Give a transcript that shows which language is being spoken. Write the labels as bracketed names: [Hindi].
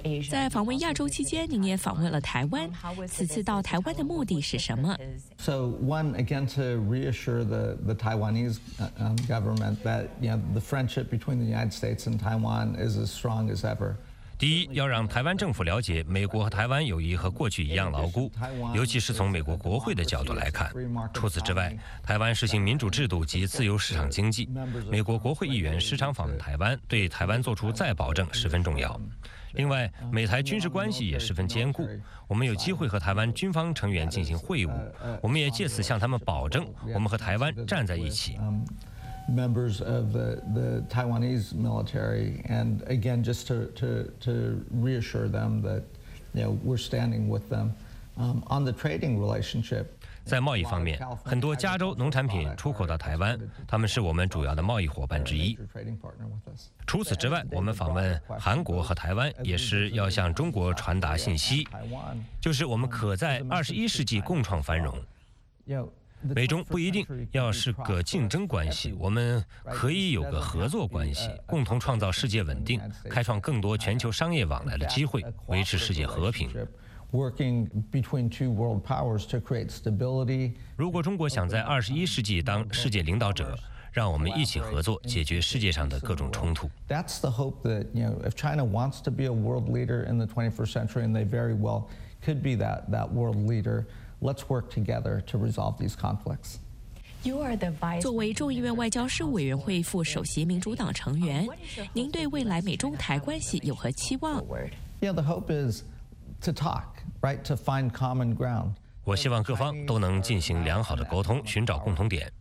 [Chinese] 在访问亚洲期间，您也访问了台湾。此次到台湾的目的是什么 [English] ？So one again to reassure the Taiwanese government that you know the friendship between the United States and Taiwan is as strong as ever. [Chinese] 第一，要让台湾政府了解美国和台湾友谊和过去一样牢固，尤其是从美国国会的角度来看。除此之外，台湾实行民主制度及自由市场经济，美国国会议员时常访问台湾，对台湾做出再保证十分重要。另外，美台军事关系也十分坚固，我们有机会和台湾军方成员进行会晤，我们也借此向他们保证我们和台湾站在一起。 [English] Members of the Taiwanese military, and again, just to reassure them that you know we're standing with them on the trading relationship. [Chinese] 在贸易方面，很多加州农产品出口到台湾，他们是我们主要的贸易伙伴之一。除此之外，我们访问韩国和台湾，也是要向中国传达信息，就是我们可在21世纪共创繁荣。美中不一定要是个竞争关系，我们可以有个合作关系，共同创造世界稳定，开创更多全球商业往来的机会，维持世界和平。如果中国想在21世纪当世界领导者，让我们一起合作解决世界上的各种冲突。 [English] That's the hope that you know if China wants to be a world leader in the 21st century, and they very well could be that world leader. Let's work together to resolve these conflicts. You are the vice. [Chinese] 作为众议院外交事务委员会副首席民主党成员，您对未来美中台关系有何期望 [English] ？Yeah, the hope is to talk, right? To find common ground. [Chinese] 我希望各方都能进行良好的沟通，寻找共同点。